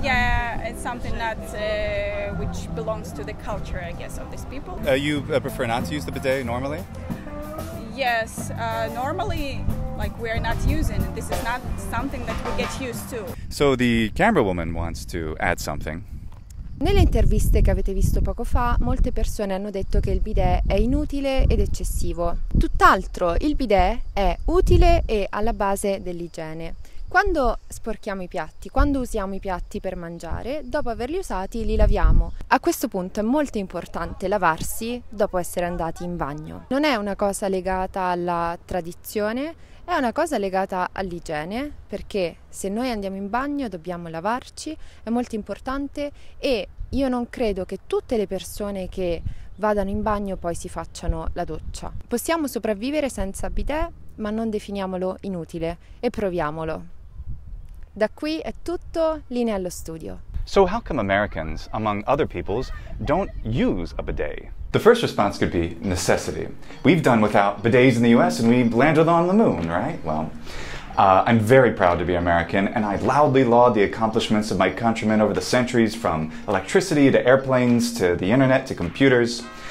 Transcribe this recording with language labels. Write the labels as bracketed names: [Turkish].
[English] Yeah, it's something that which belongs to the culture, I guess, of these people. You prefer not to use the bidet normally? Yes, normally, like, we're not using. This is not something that we get used to. So the camera woman wants to add something. [Italian] Nelle interviste che avete visto poco fa, molte persone hanno detto che il bidet è inutile ed eccessivo. Tutt'altro, il bidet è utile e alla base dell'igiene. Quando sporchiamo i piatti, quando usiamo i piatti per mangiare, dopo averli usati li laviamo. A questo punto è molto importante lavarsi dopo essere andati in bagno. Non è una cosa legata alla tradizione, è una cosa legata all'igiene, perché se noi andiamo in bagno dobbiamo lavarci, è molto importante e io non credo che tutte le persone che vadano in bagno poi si facciano la doccia. Possiamo sopravvivere senza bidet, ma non definiamolo inutile e proviamolo. Da qui è tutto, linea allo studio. [English] So how come Americans, among other peoples, don't use a bidet? The first response could be necessity. We've done without bidets in the US and we landed on the moon, right? Well, I'm very proud to be American, and I loudly laud the accomplishments of my countrymen over the centuries, from electricity to airplanes to the internet to computers.